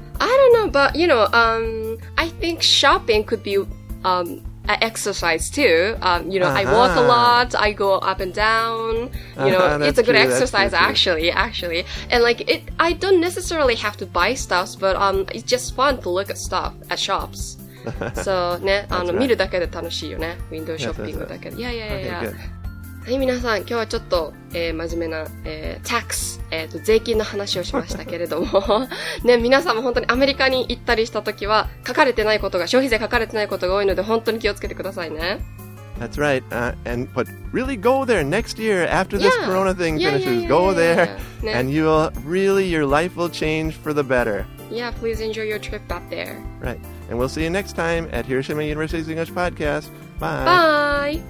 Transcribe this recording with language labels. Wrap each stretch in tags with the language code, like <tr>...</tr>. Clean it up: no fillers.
<en>I don't know, but, you know, I think shopping could be I exercise too. You know, uh-huh. I walk a lot. I go up and down. You know, uh-huh, it's a good true, exercise actually. And like it, I don't necessarily have to buy stuff, but it's just fun to look at stuff at shops. So, ne, right.</en> <ja>見るだけで楽しいよね。</ja> <en>Window shopping</en> <ja>だけで。</ja> <en>Yeah, yeah, yeah. Okay, yeah. Good.</en> <ja>はい、皆さん、今日はちょっと、真面目な、tax、税金の話をしましたけれども、ね、皆さんも本当にアメリカに行ったりしたときは、書かれてないことが、消費税書かれてないことが多いので、本当に気をつけてくださいね。</ja> <en>That's right. But really go there next year after this yeah. corona thing yeah, finishes. Yeah, yeah, go yeah, there yeah. and you will, really, your life will change for the better. Yeah, please enjoy your trip up there. Right. And we'll see you next time at Hiroshima University's English Podcast. Bye.</en>